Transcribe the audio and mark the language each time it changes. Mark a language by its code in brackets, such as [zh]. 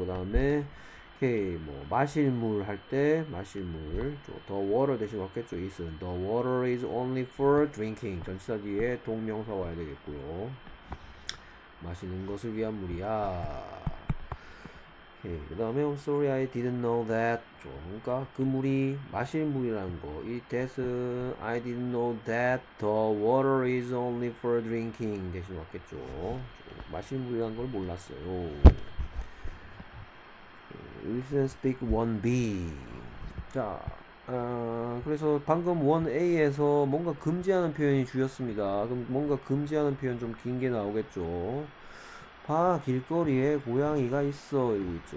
[ko] 그다음에 오케이, 뭐 마실 물할때 마실 물, 또 [en] the water [ko] 대신 왔겠죠. [en] is the water is only for drinking. [ko] 전치사 뒤에 동명사 와야 되겠고요. 마시는 것을 위한 물이야. [en] 오케이, [ko] 그 다음에 [en] I'm sorry, I didn't know that. [ko] 그러니까 그 물이 마실 물이라는 거. [en] 이 that은 I didn't know that the water is only for drinking [ko] 대신 왔겠죠. 마실 물이라는 걸 몰랐어요. [en] Listen, speak 1B. [ko] 자, 그래서 방금 1A에서 뭔가 금지하는 표현이 주였습니다. 그럼 뭔가 금지하는 표현 좀긴게 나오겠죠. 봐, 길거리에 고양이가 있어. 이러고 있죠.